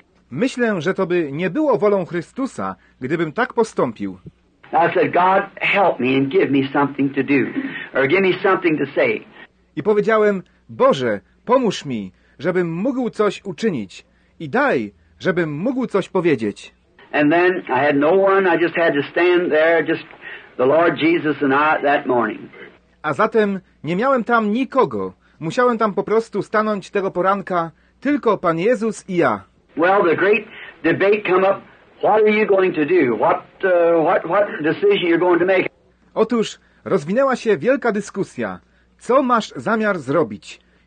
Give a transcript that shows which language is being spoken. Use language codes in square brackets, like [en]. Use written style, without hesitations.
[pl] Myślę, że to by nie było wolą Chrystusa, gdybym tak postąpił. [en] I said, God, help me and give me something to do, or give me something to say. [pl] I powiedziałem, Boże, pomóż mi, żebym mógł coś uczynić i daj, żebym mógł coś powiedzieć. [en] And then I had no one, I just had to stand there, just the Lord Jesus and I that morning. [pl] A zatem nie miałem tam nikogo. Musiałem tam po prostu stanąć tego poranka tylko Pan Jezus i ja. [en] Well, the great debate come up, what are you going to do? What decision you're going to make? [pl] Otóż rozwinęła się wielka dyskusja. Co masz zamiar zrobić?